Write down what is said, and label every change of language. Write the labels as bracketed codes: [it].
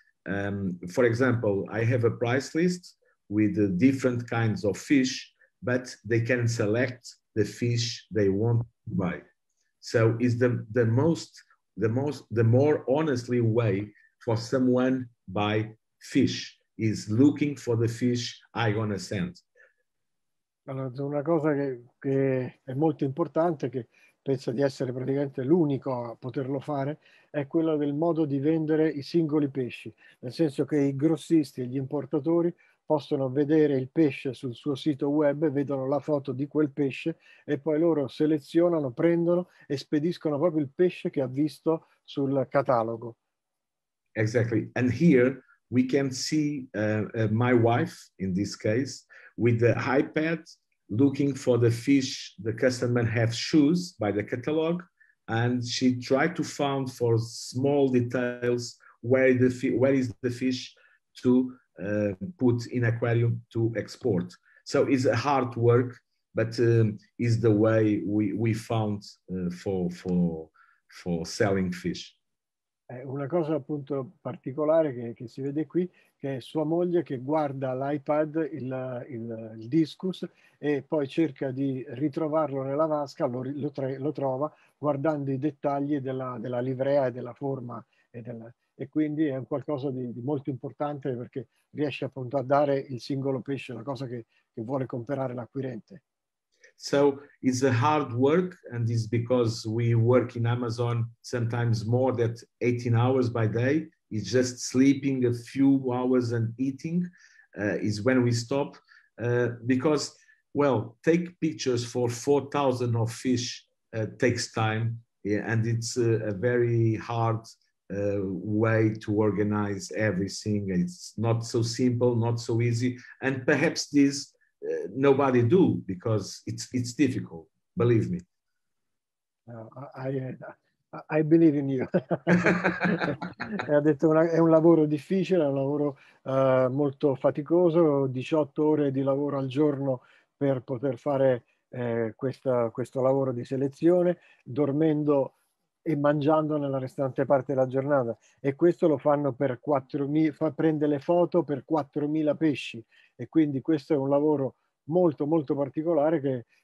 [en] For example, I have a price list with different kinds of fish, but they can select the fish they want to buy. So is the more honestly way for someone buy fish is looking for the fish I gonna send. [it] Allora, una cosa che è molto importante, che pensa di essere praticamente l'unico a poterlo fare, è quello del modo di vendere i singoli pesci, nel senso che i grossisti e gli importatori possono vedere il pesce sul suo sito web, vedono la foto di quel pesce e poi loro selezionano, prendono e spediscono proprio il pesce che ha visto sul catalogo. [en] Exactly. And here we can see my wife, in this case, with the iPad, looking for the fish the customer have shoes by the catalog, and she tried to find for small details where is the fish to put in aquarium to export. So it's a hard work, but is the way we found for selling fish. [it] Una cosa appunto particolare che si vede qui, che è sua moglie che guarda l'iPad, il discus, e poi cerca di ritrovarlo nella vasca, lo trova guardando i dettagli della livrea e della forma. E quindi è un qualcosa di molto importante perché riesce appunto a dare il singolo pesce, la cosa che vuole comprare l'acquirente. [en] So it's a hard work, and it's because we work in Amazon sometimes more than 18 hours by day. It's just sleeping a few hours and eating is when we stop. Because, well, take pictures for 4,000 of fish takes time, and it's a very hard way to organize everything. It's not so simple, not so easy, and perhaps this nobody do because it's difficult, believe me. I believe in you. [it] Ha detto è un lavoro difficile, è un lavoro molto faticoso, 18 ore di lavoro al giorno per poter fare questo lavoro di selezione, dormendo e mangiando nella restante parte della giornata, e questo lo fanno per 4.000, prende le foto per 4.000 pesci, e quindi questo è un lavoro molto molto particolare che